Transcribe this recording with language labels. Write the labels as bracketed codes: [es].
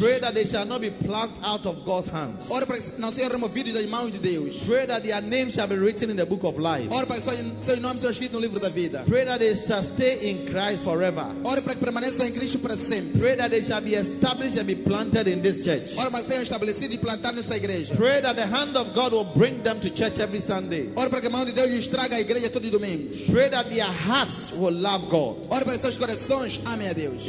[en] Pray that they shall not be plucked out of God's hands. [pt] Ora para que não sejam removidos das mãos de Deus. [en] Pray that their names shall be written in the book of life. [pt] Ora para que seu nome seja escrito no livro da vida. [en] Pray that they shall stay in Christ forever. [pt] Ora para que permaneçam em Cristo para sempre. [en] Pray that they shall be established and be planted in this church. [pt] Ora para que sejam estabelecidos e plantados nessa igreja. [en] Pray that the hand of God will bring them to church every Sunday. [pt] Ora para que a mão de Deus estraga a igreja todo domingo. [en] Pray that their hearts will love God. [pt] Ora para que seus corações amem a Deus.